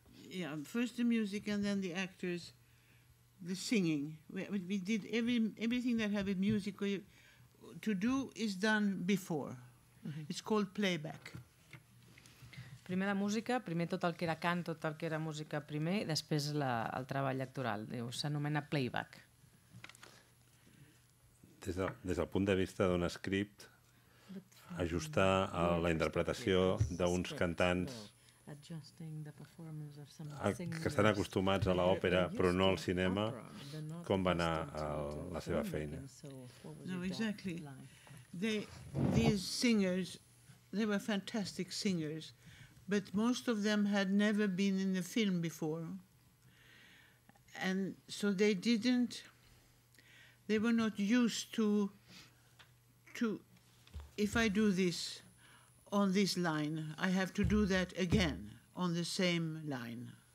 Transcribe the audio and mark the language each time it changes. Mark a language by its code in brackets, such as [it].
[en] Yeah, first the music and then the actors, the singing. We did everything that had with music to do is done before. Mm-hmm. It's called playback. [ca] Primer la música, primer tot el que era cant, tot el que era música primer, i després el treball actoral. S'anomena playback. Des del punt de vista d'un script, ajustar a la interpretació d'uns cantants que estan acostumats a l'òpera però no al cinema, com va anar la seva feina? [en] No, exactly. These singers, they were fantastic singers, but most of them had never been in the film before. And so they didn't, they were not used to, if I do this on this line, I have to do that again on the same line.